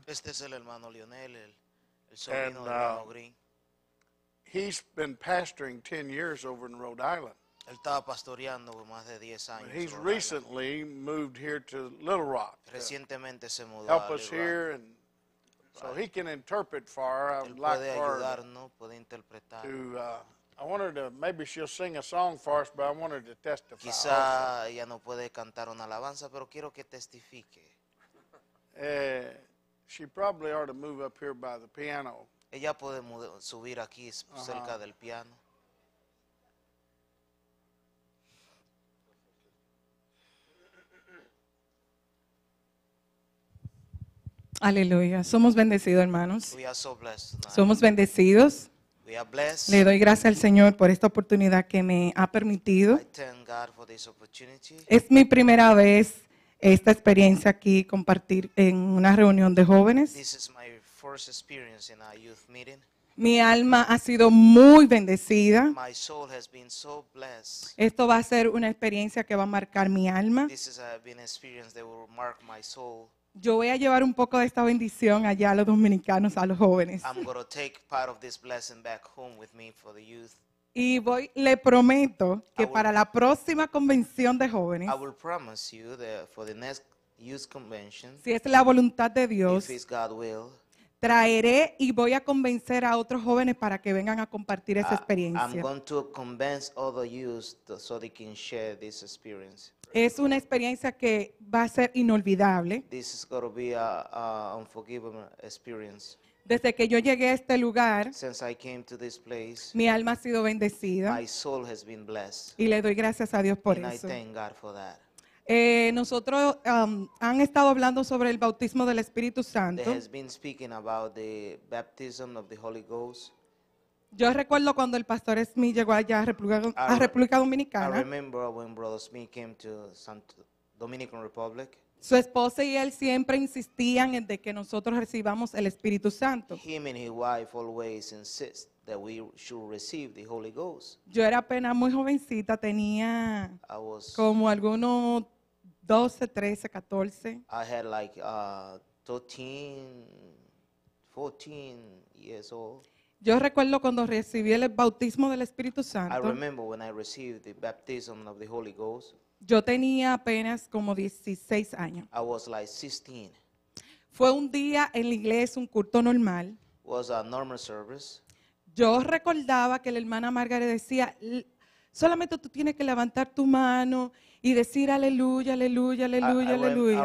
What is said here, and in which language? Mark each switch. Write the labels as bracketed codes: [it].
[es] Este es el hermano Leonel, el sobrino de Hermano Green. [en] He's been pastoring 10 years over in Rhode Island. [es] Él estaba pastoreando por más de 10 años. [en] He's recently moved here to Little Rock. [es] Recientemente se mudó a Little Rock. [en] Help us here, and so he can interpret for her. [es] Él puede ayudarnos, puede interpretar. [en] I want her to, maybe she'll sing a song for us, but I want her to testify. [es] Quizá ella no puede cantar una alabanza, pero quiero que testifique. [en] She probably ought to move up here by the piano. [es] Ella puede subir aquí cerca del piano. Aleluya. Somos bendecidos, hermanos. [en] We are so blessed. [es] Somos bendecidos. [en] We are blessed. [es] Le doy gracias al Señor por esta oportunidad que me ha permitido. [en] I thank God for this opportunity. [es] Es mi primera vez esta experiencia aquí compartir en una reunión de jóvenes. [en] This is my first experience in a youth meeting. [es] Mi alma ha sido muy bendecida. [en] My soul has been so blessed. [es] Esto va a ser una experiencia que va a marcar mi alma. [en] This is an experience that will mark my soul. [es] Yo voy a llevar un poco de esta bendición allá a los dominicanos, a los jóvenes. [en] I'm going to take part of this blessing back home with me for the youth. [es] Y voy, le prometo que para la próxima convención de jóvenes, [en] I will promise you that for the next youth convention, [es] si es la voluntad de Dios, [en] if it's God will, [es] traeré y voy a convencer a otros jóvenes para que vengan a compartir esa experiencia. [en] I'm going to convince other youth so they can share this experience. [es] Es una experiencia que va a ser inolvidable. [en] This is going to be a unforgivable experience. [es] Desde que yo llegué a este lugar, [en] since I came to this place, [es] mi alma ha sido bendecida. [en] My soul has been blessed. [es] Y le doy gracias a Dios por [en] and [es] eso. [en] I thank God for that. [es] Nosotros han estado hablando sobre el bautismo del Espíritu Santo. [en] They have been speaking about the baptism of the Holy Ghost. [es] Yo recuerdo cuando el pastor Smith llegó allá a República Dominicana. [en] I remember when Brother Smith came to Santo Dominican Republic. [es] Su esposa y él siempre insistían en de que nosotros recibamos el Espíritu Santo. [en] Him and his wife always insist that we should receive the Holy Ghost. [es] Yo era apenas muy jovencita, tenía como algunos 12, 13, 14. [en] I had like 13, 14 years old. [es] Yo recuerdo cuando recibí el bautismo del Espíritu Santo. [en] I remember when I received the baptism of the Holy Ghost. [es] Yo tenía apenas como 16 años. [en] I was like 16. [es] Fue un día en la iglesia, un culto normal. [en] Was a normal service. [es] yo recordaba que la hermana Margaret decía, solamente tú tienes que levantar tu mano y decir aleluya, aleluya, aleluya, aleluya.